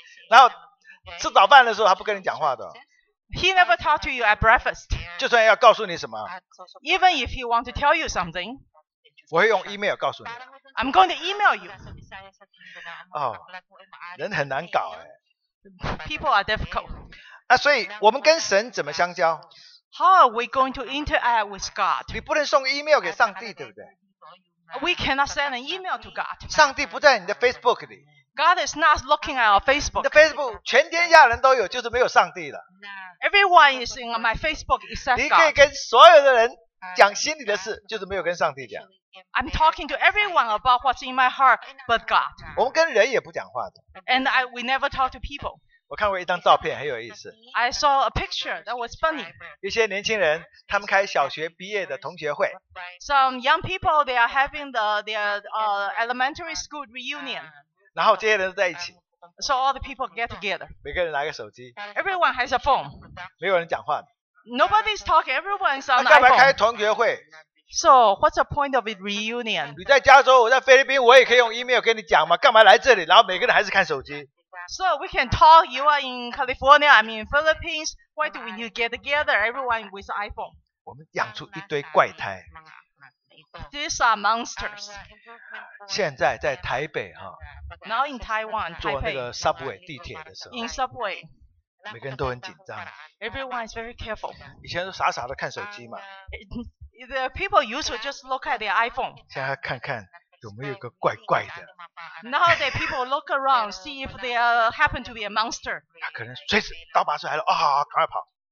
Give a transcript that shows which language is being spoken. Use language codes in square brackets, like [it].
[zh] 然后吃早饭的时候，他不跟你讲话的。 [en] He never talked to you at breakfast. [zh] 就算要告诉你什么。 [en] Even if he want to tell you something. [zh] 我会用 email 告诉你。 [en] I'm going to email you. [zh] 哦，人很难搞哎。 [en] People are difficult. [zh] 那所以我们跟神怎么相交？ [en] How are we going to interact with God? [zh] 你不能送 email 给上帝，对不对？ [en] We cannot send an email to God. [zh] 上帝不在你的 Facebook 里。 [en] God is not looking at our Facebook. [zh] 你的 Facebook 全天下人都有，就是没有上帝了。 [en] Everyone is in my Facebook except God. [zh] 你可以跟所有的人讲心里的事，就是没有跟上帝讲。 [en] I'm talking to everyone about what's in my heart, but God. [zh] 我们跟人也不讲话的。 [en] And we never talk to people. [zh] 我看过一张照片，很有意思。 [en] I saw a picture that was funny. [zh] 一些年轻人，他们开小学毕业的同学会。 [en] Some young people, they are having their elementary school reunion. [zh] 然后这些人都在一起。 [en] So all the people get together. [zh] 每个人拿个手机。 [en] Everyone has a phone. [zh] 没有人讲话。 [en] Nobody's talking. Everyone's on the [zh] iPhone. 干嘛开同学会 [en] ？So what's the point of a reunion? [zh] 你在加州，我在菲律宾，我也可以用 email 跟你讲嘛。干嘛来这里？然后每个人还是看手机。 [en] So we can talk. You are in California. I'm in Philippines. Why do we need to get together? Everyone with iPhone. [zh] 我们养出一堆怪胎。 [en] These are monsters. [zh] 现在在台北哈。 [en] Now in Taiwan, [zh] 坐那个 subway 地铁的时候。 [en] In subway. [zh] 每个人都很紧张。 [en] Everyone is very careful. [zh] 以前都傻傻的看手机嘛。 [en] The people used to just look at their iPhone. [zh] 现在看看有没有一个怪怪的。 [en] Now that people look around, see if they happen to be a monster. [zh] 可能随时刀拔出来了，啊、哦，赶快跑。